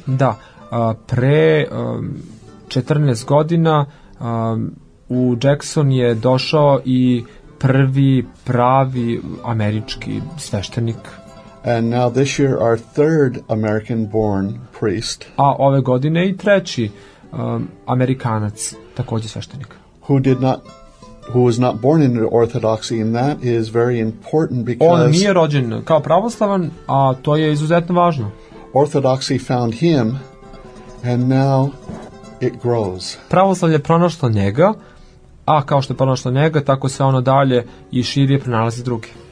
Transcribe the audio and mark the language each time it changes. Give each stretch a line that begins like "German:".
Serbian: Da, pre 14 godina u Jackson je došao i prvi pravi američki sveštenik.
English: And now this year our third American-born priest.
Serbian: A ove godine i treći Amerikanac, takođe sveštenik.
English: Who was not born in Orthodoxy, and that is very important because
Serbian: on nije rođen kao pravoslavan, a to je izuzetno važno.
English: Orthodoxy found him, and now it grows.
Serbian: Pravoslavlje pronašlo njega, a kao što je pronašlo njega, tako se ono dalje i širije pronalazi druge.